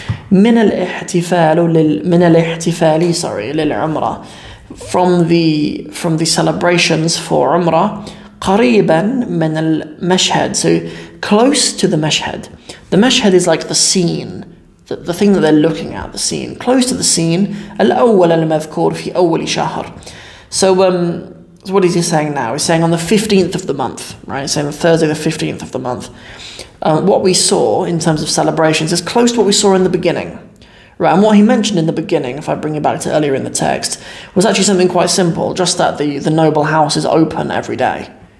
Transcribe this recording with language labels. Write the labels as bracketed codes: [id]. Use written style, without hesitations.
[ar] Min al-ihtifali, [en] sorry, [ar] lil-umrah. [en] From the celebrations for Umrah, [ar] قريباً من المشهد. [en] So, close to the Mashhad. The Mashhad is like the scene, the thing that they're looking at, the scene. Close to the scene. [ar] الأول المذكور في أول شهر. [en] So what is he saying now? He's saying on the 15th of the month, right? Saying on Thursday the 15th of the month. What we saw in terms of celebrations is close to what we saw in the beginning. Right, and what he mentioned in the beginning, if I bring it back to earlier in the text, was actually something quite simple, just that the noble house is open every day.